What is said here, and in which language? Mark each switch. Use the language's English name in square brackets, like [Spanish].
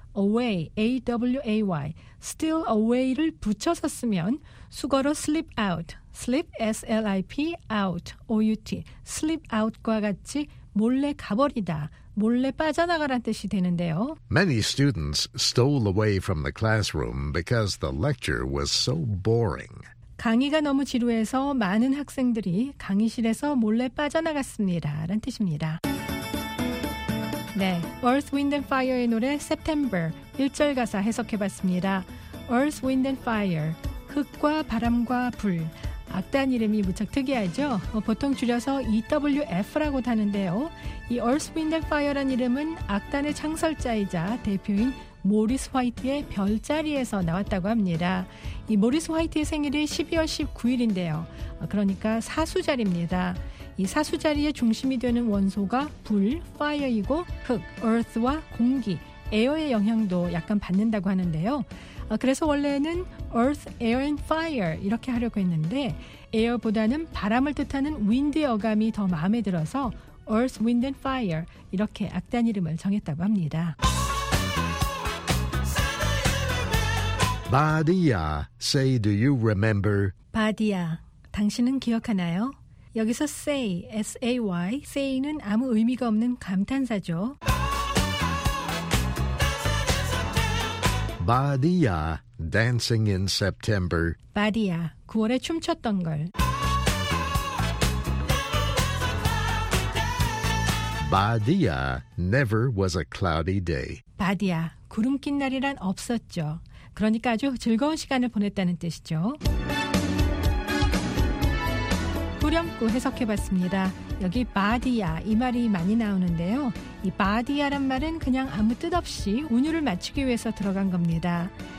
[English] Away, A-W-A-Y. Steal away를 [Korean] 붙여서 쓰면 수거로 [English] slip out. Slip, S-L-I-P, out, O-U-T. [Korean] Slip out과 같이 몰래 가버리다. 몰래 빠져나가란 뜻이 되는데요. [English] Many students stole away from the classroom because the lecture was so boring. [Korean] 강의가 너무 지루해서 많은 학생들이 강의실에서 몰래 빠져나갔습니다라는 뜻입니다. 네, Earth, Wind and Fire의 노래 September 1절 가사 해석해봤습니다. Earth, Wind and Fire, 흙과 바람과 불. 악단 이름이 무척 특이하죠? 보통 줄여서 EWF라고 하는데요. 이 Earth, Wind and Fire란 이름은 악단의 창설자이자 대표인 모리스 화이트의 별자리에서 나왔다고 합니다. 이 모리스 화이트의 생일이 12월 19일인데요. 그러니까 사수자리입니다. 이 사수자리의 중심이 되는 원소가 불, fire이고 흙, earth와 공기, air의 영향도 약간 받는다고 하는데요. 그래서 원래는 earth, air and fire 이렇게 하려고 했는데 air보다는 바람을 뜻하는 wind의 어감이 더 마음에 들어서 earth, wind and fire 이렇게 악단 이름을 정했다고 합니다. [English] 바디야, say do you remember? [Korean] 바디야, 당신은 기억하나요? 여기서 [English] say, S-A-Y, say [Korean] 는 아무 의미가 없는 감탄사죠. [English] 바디야, dancing in September. [Korean] 바디야, 9월에 춤췄던 걸. [English] 바디야, never was a cloudy day. [Korean] 바디야, 구름 낀 날이란 없었죠. 그러니까 아주 즐거운 시간을 보냈다는 뜻이죠. 후렴구 해석해봤습니다. 여기 바디야 이 말이 많이 나오는데요. 이 바디야란 말은 그냥 아무 뜻 없이 운율을 맞추기 위해서 들어간 겁니다.